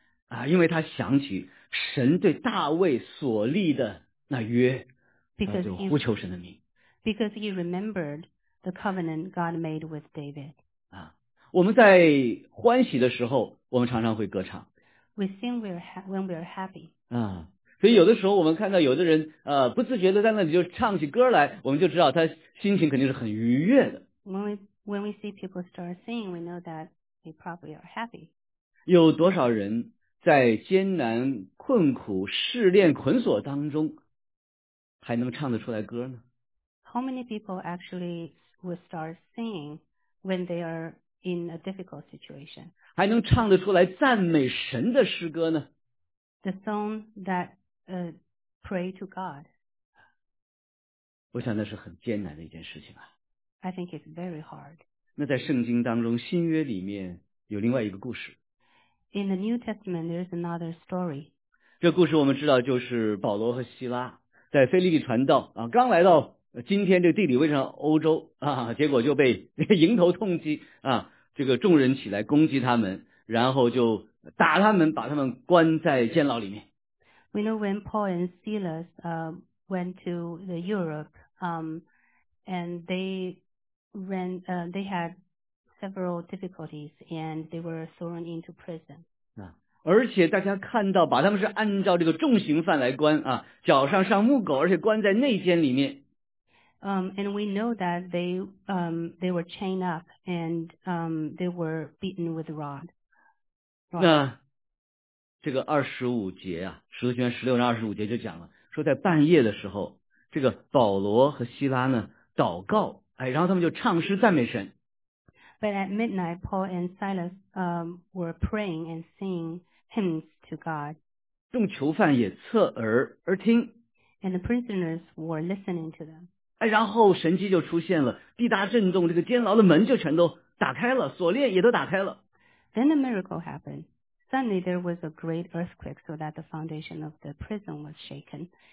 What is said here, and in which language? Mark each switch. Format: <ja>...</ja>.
<zh>啊，因为他想起神对大卫所立的那约，就呼求神的名。</zh> <en>Because he remembered the covenant God made with David.</en> <zh>啊，我们在欢喜的时候，我们常常会歌唱。</zh> <en>We sing when we are happy. 啊，</en> <zh>所以有的时候我们看到有的人不自觉的在那里就唱起歌来，我们就知道他心情肯定是很愉悦的。</zh> <en>When we see people start singing, we know that they probably are happy.</en> <zh>有多少人在艰难、困苦、试炼、捆锁当中还能唱得出来歌呢？</zh> <en>How many people actually will start singing when they are in a difficult situation?</en> <zh>还能唱得出来赞美神的诗歌呢？</zh> <en>The song that pray to God.</en> <zh>我想那是很艰难的一件事情啊。</zh> <en>I think it's very hard.</en> <zh>那在圣经当中，新约里面有另外一个故事。</zh> <en>In the New Testament, there's another story.</en> <zh>这故事我们知道，就是保罗和希拉在腓立比传道啊，刚来到今天这个地理位置上欧洲啊，结果就被迎头痛击啊，这个众人起来攻击他们，然后就打他们，把他们关在监牢里面。</zh> <en>We know when Paul and Silas went to the Europe, and they had several difficulties and they were thrown into prison.</en> <zh>而且大家看到把他们是按照这个重刑犯来关啊，脚上上木狗，而且关在内监里面。</zh> <en>And we know that they were chained up and they were beaten with rod.</en> <zh>那这个25节啊，使徒行传16章25节就讲了，说在半夜的时候，这个保罗和希拉呢祷告，哎，然后他们就唱诗赞美神。</zh> <en>But at midnight, Paul and Silas were praying and singing hymns to God.</en> <zh>众囚犯也侧耳而听。</zh> <en>And the prisoners were listening to them.</en> <zh>哎，然后神迹就出现了，地大震动，这个监牢的门就全都打开了，锁链也都打开了。</zh> <en>Then a miracle happened. Suddenly there was a great earthquake so that the foundation of the prison was shaken.</en>